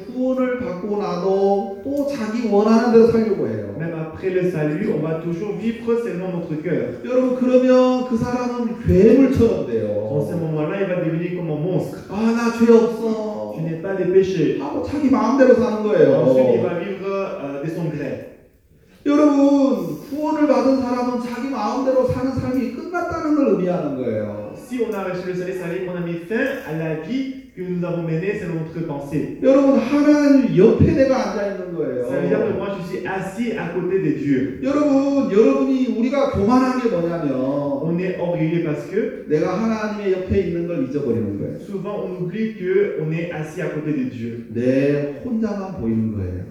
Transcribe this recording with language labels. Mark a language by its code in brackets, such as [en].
[ko] 구원을 받고 나도 또 자기 원하는 대로 살려고 해요. [fr] Même après le salut, on va toujours vivre selon notre cœur. [ko] 여러분 그러면 그 사람은 괴물처럼 돼요. [fr] Dans ce moment-là, il va devenir comme un monstre. [ko] 아, 나 죄 없어. [fr] Je n'ai pas de péché. [ko] 하고 자기 마음대로 사는 거예요. [fr] Ensuite, il va vivre de son gré. [ko] 여러분 구원을 받은 사람은 자기 마음대로 사는 삶이 끝났다는 걸 의미하는 거예요. [fr] Si on a reçu le salut, ça y est, on a mis fin à la vie que nous avons menée selon notre pensée. [ko] 여러분 하나님 옆에 내가 앉아 있는 거예요. [fr] Ça veut dire que moi je suis assis à côté de Dieu. [ko] 여러분 여러분이 우리가 교만한 게 뭐냐면 [fr] on est orgueilleux parce que [ko] 내가 하나님의 옆에 있는 걸 잊어버리는 거예요. [fr] Souvent on oublie que on est assis à côté de Dieu. [ko] 내 혼자만 보이는 거예요.